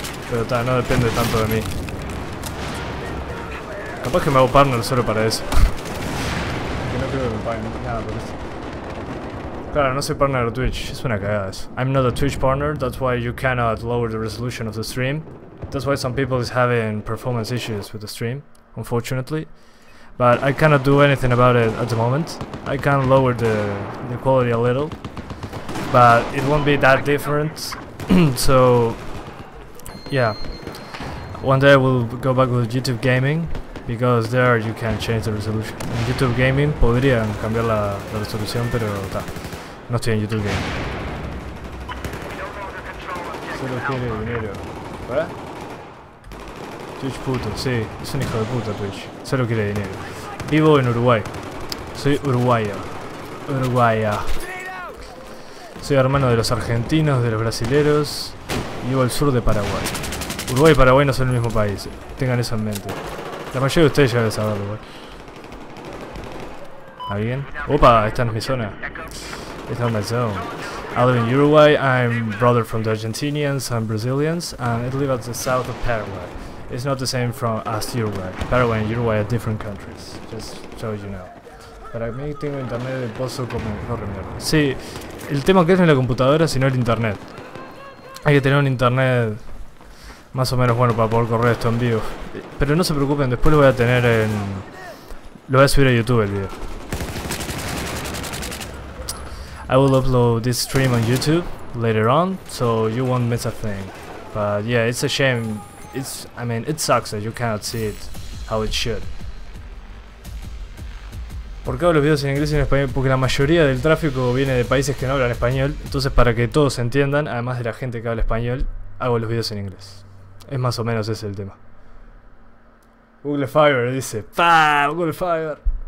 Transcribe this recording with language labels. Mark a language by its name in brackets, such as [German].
[Spanish] Pero está, no depende tanto de mí. Capaz que me hago partner solo para eso. Que no creo que me paguen nada por eso. Claro, no soy partner de Twitch, es una cagada eso. [English] I'm not a Twitch partner, that's why you cannot lower the resolution of the stream. That's why some people is having performance issues with the stream, unfortunately. But I cannot do anything about it at the moment. I can lower the quality a little. But it won't be that different. So, yeah. One day I will go back with YouTube Gaming, because there you can change the resolution. [Spanish] In YouTube Gaming podrían cambiar la resolución, pero está. No estoy en YouTube Game. Solo quiere dinero. ¿Para? Twitch puto, sí, es un hijo de puta Twitch. Solo quiere dinero. Vivo en Uruguay. Soy uruguaya. Uruguaya. Soy hermano de los argentinos, de los brasileros. Vivo al sur de Paraguay. Uruguay y Paraguay no son el mismo país. Tengan eso en mente. La mayoría de ustedes ya deben saberlo, güey. ¿Alguien? Opa, esta no es mi zona. [English] It's not my zone. I live in Uruguay, I'm brother from the Argentinians and Brazilians, and I live at the south of Paraguay. It's not the same from as Uruguay. Paraguay and Uruguay are different countries, just so you know. [Spanish] Para mí tengo internet de pozo como mejor mierda. Sí, el tema que es en la computadora, sino el internet. Hay que tener un internet más o menos bueno para poder correr esto en vivo. Pero no se preocupen, después lo voy a tener en... Lo voy a subir a YouTube el video. [English] I will upload this stream on YouTube later on, so you won't miss a thing. But yeah, it's a shame. It sucks that you cannot see it how it should. [Spanish] ¿Por qué hago los videos en inglés y en español? Porque la mayoría del tráfico viene de países que no hablan español. Entonces, para que todos entiendan, además de la gente que habla español, hago los videos en inglés. Es más o menos ese el tema. Google Fiber dice, ¡pa! Google Fiber.